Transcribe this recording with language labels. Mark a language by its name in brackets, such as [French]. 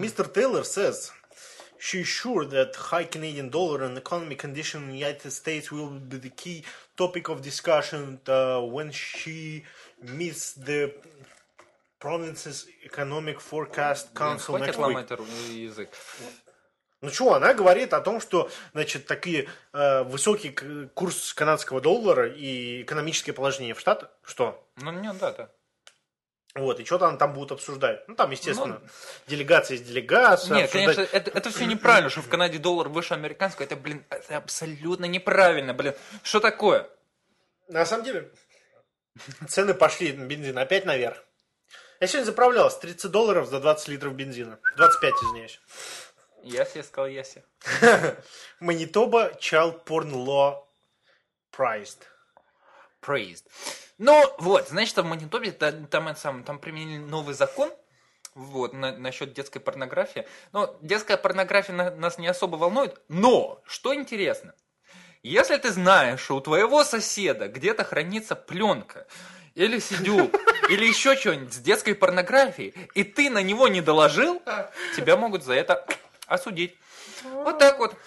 [English] Мистер Тейлор says, she's sure that high Canadian dollar and economy condition in the United States will be the key topic of discussion when she meets the province's economic forecast council next week. [Russian] Хватит ломать язык. Ну что, она говорит о том, что, значит, такие высокий курс канадского доллара и экономическое положение в Штатах, что? Ну, нет, да-да. Вот, и что-то она там будет обсуждать. Ну, там, естественно, делегация из делегации. Нет, конечно, это все неправильно, что в Канаде доллар выше американского. Это, блин, это абсолютно неправильно, блин. Что такое? На самом деле, цены пошли, бензин, опять наверх. Я сегодня заправлялась $30 за 20 литров бензина. 25, извиняюсь. Яси, я сказал яси. [English] Манитоба Child Porn Law Praised. Praised. [Russian] Ну, вот, значит, в Манитобе там применили новый закон вот, насчет детской порнографии. Но детская порнография нас не особо волнует. Но, что интересно, если ты знаешь, что у твоего соседа где-то хранится пленка или сидюк, или еще что-нибудь с детской порнографией, и ты на него не доложил, тебя могут за это... осудить. Вот так вот.